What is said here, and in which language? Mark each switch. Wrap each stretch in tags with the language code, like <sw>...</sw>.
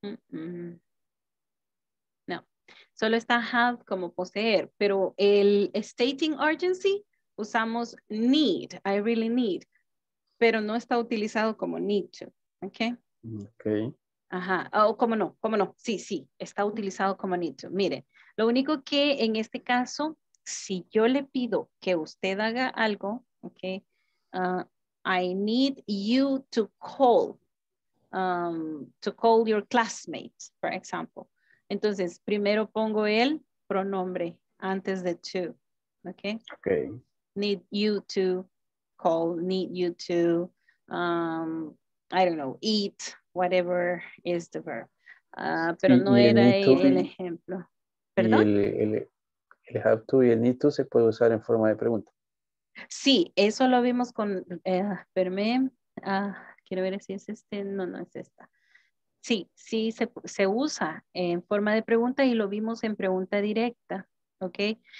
<es>No. solo está have como poseer, pero el stating urgency usamos need, I really need, pero no está utilizado como need to, ¿ok? Ok. Ajá, o oh, cómo no, sí, sí, está utilizado como need to. Mire, lo único que en este caso, si yo le pido que usted haga algo, ¿ok?</es> <en>I need you to call your classmates, for example.</en> <es>Entonces, primero pongo el pronombre antes de to, ¿ok? Ok.</es> <en>Need you to call, need you to, I don't know, eat, whatever is the verb.</en> <es>Pero no era el ejemplo. ¿Perdón? El have to y el need to se puede usar en forma de pregunta. Sí, eso lo vimos con, espérame, quiero ver si es este, no es esta. Sí, sí se usa en forma de pregunta y lo vimos en pregunta directa, ¿ok?</es>